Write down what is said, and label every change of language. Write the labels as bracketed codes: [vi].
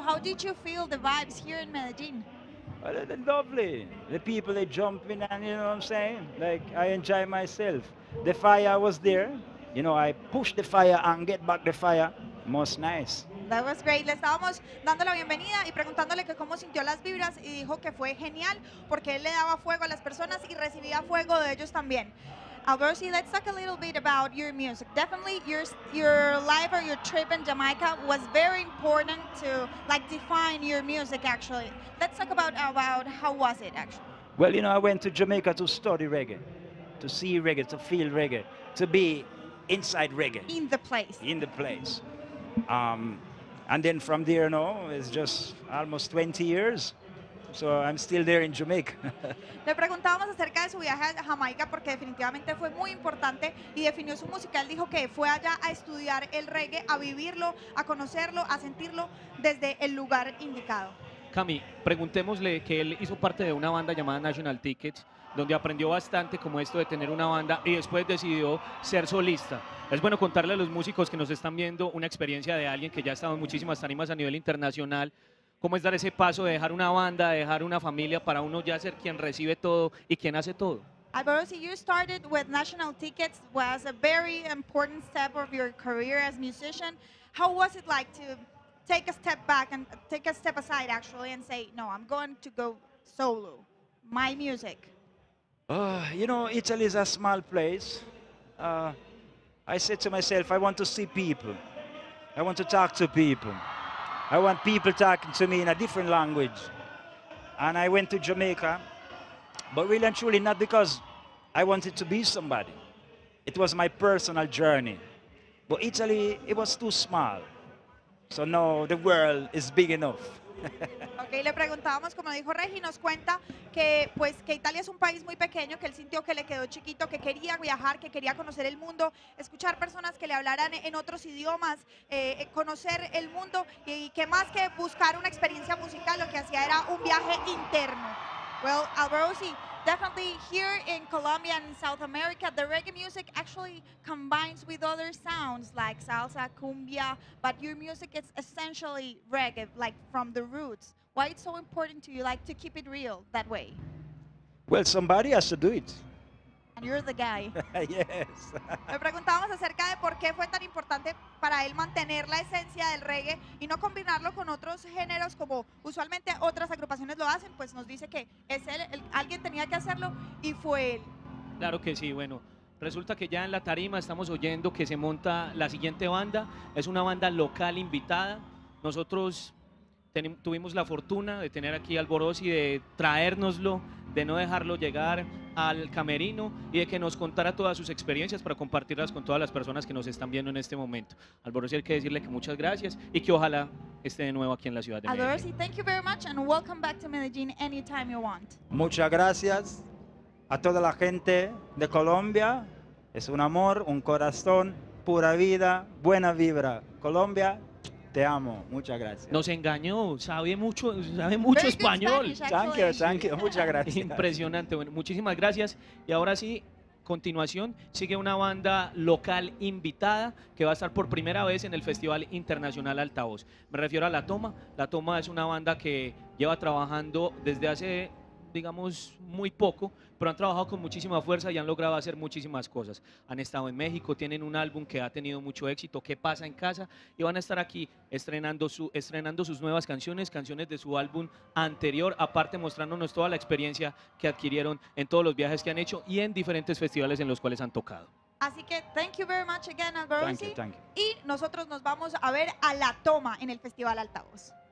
[en] How did you feel the vibes here in Medellín? Well, lovely. The people, they jump in, and you know what I'm saying? Like, I enjoy myself. The fire was there. You know, I push the fire and get back the fire. Most nice. That was great. [es] Le estábamos dando la bienvenida y preguntándole que cómo sintió las vibras y dijo que fue genial porque él le daba fuego a las personas y recibía fuego de ellos también. [en] Alborosi, let's talk a little bit about your music. Definitely your life or your trip in Jamaica was very important to like define your music actually. Let's talk about how was it actually. Well, you know, I went to Jamaica to study reggae, to see reggae, to feel reggae, to be inside reggae. In the place. In the place. And then from there, no, it's just almost 20 years, so I'm still there in Jamaica. [es] Le preguntábamos acerca de su viaje a Jamaica porque definitivamente fue muy importante y definió su música. Él dijo que fue allá a estudiar el reggae, a vivirlo, a conocerlo, a sentirlo desde el lugar indicado. Cami, preguntémosle que él hizo parte de una banda llamada National Tickets, donde aprendió bastante como esto de tener una banda y después decidió ser solista. Es bueno contarle a los músicos que nos están viendo una experiencia de alguien que ya ha estado en muchísimas tarimas a nivel internacional, cómo es dar ese paso de dejar una banda, de dejar una familia para uno ya ser quien recibe todo y quien hace todo. [en] Alborosi, you started with National Tickets, was a very important step of your career as musician. How was it like to take a step back and take a step aside actually and say, no, I'm going to go solo, my music? You know, Italy is a small place. I said to myself, I want to see people. I want to talk to people. I want people talking to me in a different language. And I went to Jamaica, but really and truly not because I wanted to be somebody. It was my personal journey. But Italy, it was too small. So now the world is big enough. [es] Okay, le preguntábamos, como dijo Regi, nos cuenta que pues que Italia es un país muy pequeño, que él sintió que le quedó chiquito, que quería viajar, que quería conocer el mundo, escuchar personas que le hablaran en otros idiomas, conocer el mundo y que más que buscar una experiencia musical, lo que hacía era un viaje interno. [en] Well, Alborosi, definitely here in Colombia and South America, the reggae music actually combines with other sounds like salsa, cumbia, but your music is essentially reggae, like from the roots. Why it's so important to you, like to keep it real that way? Well, somebody has to do it. And you're the guy. Yes. [es] Me preguntábamos acerca de por qué fue tan importante para él mantener la esencia del reggae y no combinarlo con otros géneros como usualmente otras agrupaciones lo hacen, pues nos dice que es él, alguien tenía que hacerlo y fue él. Claro que sí, bueno, resulta que ya en la tarima estamos oyendo que se monta la siguiente banda, es una banda local invitada. Nosotros tuvimos la fortuna de tener aquí a Alborosi y de traérnoslo, de no dejarlo llegar al camerino y de que nos contara todas sus experiencias para compartirlas con todas las personas que nos están viendo en este momento. Alborosi, hay que decirle que muchas gracias y que ojalá esté de nuevo aquí en la ciudad de Medellín. [en] Alborosi, thank you very much and welcome back to Medellín anytime you want. [es] Muchas gracias a toda la gente de Colombia. Es un amor, un corazón, pura vida, buena vibra. Colombia, te amo. Muchas gracias. Nos engañó. Sabe mucho español. [en] Spanish, thank you. [es] Muchas gracias. Impresionante. Bueno, muchísimas gracias. Y ahora sí, continuación, sigue una banda local invitada que va a estar por primera vez en el Festival Internacional Altavoz. Me refiero a La Toma. La Toma es una banda que lleva trabajando desde hace, digamos, muy poco, pero han trabajado con muchísima fuerza y han logrado hacer muchísimas cosas. Han estado en México, tienen un álbum que ha tenido mucho éxito, ¿Qué pasa en casa? Y van a estar aquí estrenando sus nuevas canciones, canciones de su álbum anterior, aparte mostrándonos toda la experiencia que adquirieron en todos los viajes que han hecho y en diferentes festivales en los cuales han tocado. Así que, [en] thank you very much again, Alborosi. Thank you. [es] Y nosotros nos vamos a ver a La Toma en el Festival Altavoz.